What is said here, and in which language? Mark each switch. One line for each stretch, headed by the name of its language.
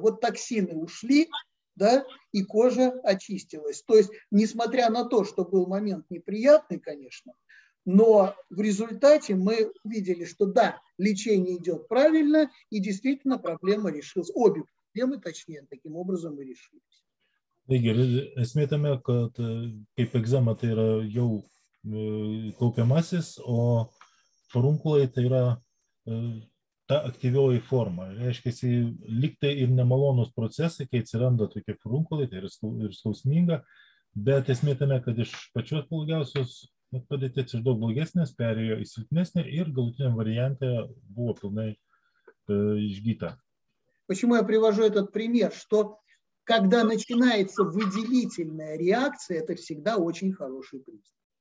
Russian: Вот токсины ушли, да, и кожа очистилась. То есть, несмотря на то, что был момент неприятный, конечно, но в результате мы видели, что да, лечение идет правильно, и действительно проблема решилась. Обе проблемы, точнее, таким образом и решились.
Lithuanian: Taigi, esmė tame, kad kaip egzema tai yra jau kaupiamasis, o furunkulai tai yra ta aktyvioji forma. Reiškia, liktai ir nemalonus procesai, kai atsiranda tokie furunkulai, tai yra ir skausminga, bet esmė tame, kad iš pačios blogiausios padėties iš daug blogesnės perėjo į silpnesnę ir galutiniam variante buvo pilnai išgyta.
Russian: Почему я привожу этот пример, что когда начинается выделительная реакция, это всегда очень хороший признак.